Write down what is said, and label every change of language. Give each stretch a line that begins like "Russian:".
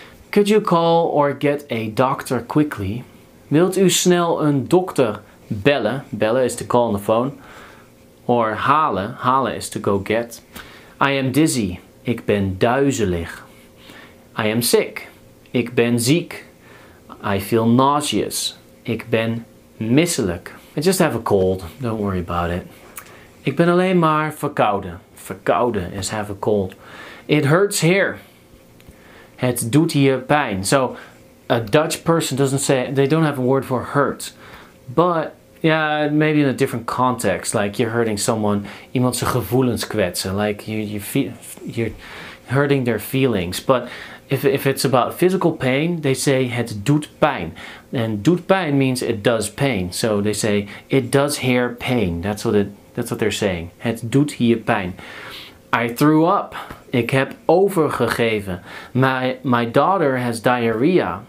English: Could you call or get a doctor quickly?
Dutch: Wilt u snel een dokter bellen?
English: Bellen is to call on the phone. Or halen. Halen is to go get. I am dizzy.
Dutch: Ik ben duizelig.
English: I am sick.
Dutch: Ik ben ziek.
English: I feel nauseous.
Dutch: Ik ben misselijk.
English: I just have a cold. Don't worry about it.
Dutch: Ik ben alleen maar verkouden.
English: Verkouden is have a cold. It hurts here.
Dutch: Het doet hier pijn.
English: So a Dutch person doesn't say, they don't have a word for hurt. But yeah, maybe in a different context, like you're hurting someone,
Dutch: iemand zijn gevoelens kwetsen,
English: like you're hurting their feelings. But if it's about physical pain, they say
Dutch: het doet pijn.
English: And
Dutch: doet pijn
English: means it does pain. So they say it does hear pain. That's what they're saying.
Dutch: Het doet hier pijn.
English: I threw up.
Dutch: Ik heb overgegeven.
English: My daughter has diarrhea.